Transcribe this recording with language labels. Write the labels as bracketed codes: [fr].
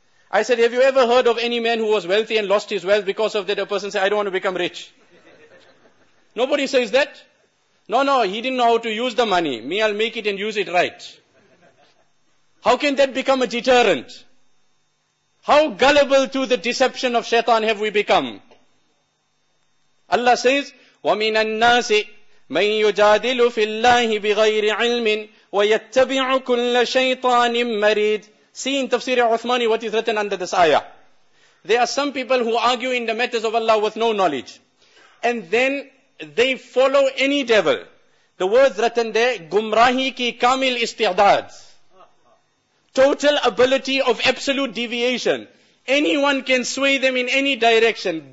[en] I said, have you ever heard of any man who was wealthy and lost his wealth because of that? A person said, I don't want to become rich. Nobody says that. No, he didn't know how to use the money. Me, I'll make it and use it right. How can that become a deterrent? How gullible to the deception of shaitan have we become? Allah says, [ar] وَمِنَ النَّاسِ مَنْ يُجَادِلُ فِي اللَّهِ بِغَيْرِ عِلْمٍ وَيَتَّبِعُ كُلَّ شَيْطَانٍ مَرِيدٍ. [en] See in Tafsir Uthmani what is written under this ayah. There are some people who argue in the matters of Allah with no knowledge. And then they follow any devil. The words written there, [ur] gumrahi ki kamil istidad. [en] Total ability of absolute deviation. Anyone can sway them in any direction.